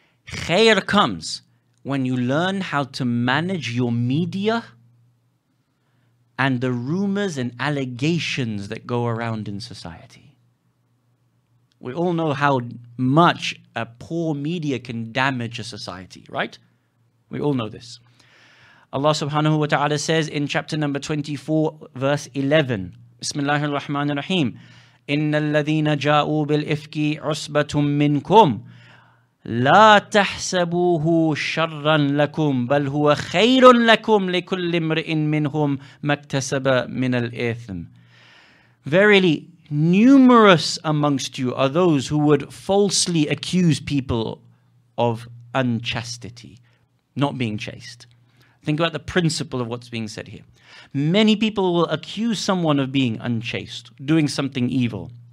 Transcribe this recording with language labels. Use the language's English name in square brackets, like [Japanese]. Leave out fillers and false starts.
[English] Khair comes when you learn how to manage your media and the rumors and allegations that go around in society. We all know how much a poor media can damage a society, right? We all know this. Allah subhanahu wa ta'ala says in chapter number 24, verse 11, [Arabic] Bismillah ar-Rahman ar-Rahim, إِنَّ الَّذِينَ جَاءُوا بِالْإِفْكِ عُصْبَةٌ مِّنْكُمْ لَا تَحْسَبُوهُ شَرًّا لَكُمْ بَلْ هُوَ خَيْرٌ لَكُمْ لِكُلِّ امْرِئٍ مِّنْهُمْ مَكْتَسَبَ مِنَ الْإِثْمِ. [English] Verily, numerous amongst you are those who would falsely accuse people of unchastity, not being chaste. Think about the principle of what's being said here. Many people will accuse someone of being unchaste, doing something evil.